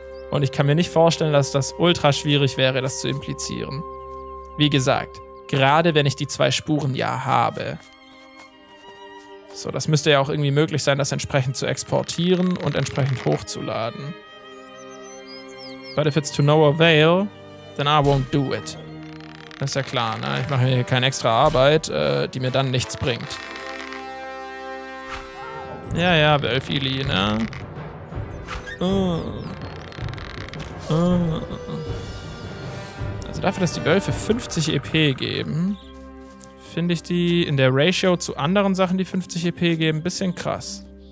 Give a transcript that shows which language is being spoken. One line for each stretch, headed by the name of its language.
German: Und ich kann mir nicht vorstellen, dass das ultra schwierig wäre, das zu implizieren. Wie gesagt, gerade wenn ich die zwei Spuren ja habe. So, das müsste ja auch irgendwie möglich sein, das entsprechend zu exportieren und entsprechend hochzuladen.
English: But if it's to no avail, then I won't do it.
German: Das ist ja klar, ne? Ich mache hier keine extra Arbeit, die mir dann nichts bringt. Ja, ja, Wölfili, ne? Also dafür, dass die Wölfe 50 EP geben, finde ich die in der Ratio zu anderen Sachen, die 50 EP geben, ein bisschen krass.